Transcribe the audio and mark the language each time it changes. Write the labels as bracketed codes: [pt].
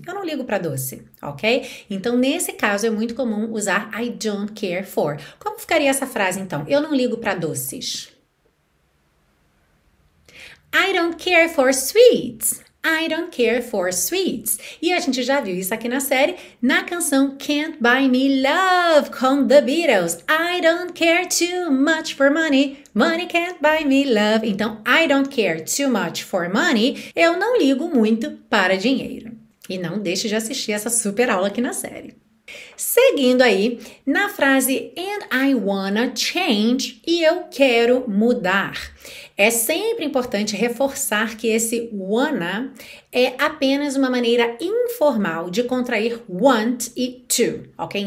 [pt] Eu não ligo para doce, ok? Então, nesse caso, é muito comum usar [en] I don't care for. [pt] Como ficaria essa frase, então? Eu não ligo para doces. [en] I don't care for sweets. I don't care for sweets. [pt] E a gente já viu isso aqui na série, na canção Can't Buy Me Love, com The Beatles. [en] I don't care too much for money, money can't buy me love. [pt] Então, [en] I don't care too much for money, [pt] eu não ligo muito para dinheiro. E não deixe de assistir essa super aula aqui na série. Seguindo aí, na frase [en] and I wanna change, [pt] e eu quero mudar. É sempre importante reforçar que esse wanna é apenas uma maneira informal de contrair want e to, ok?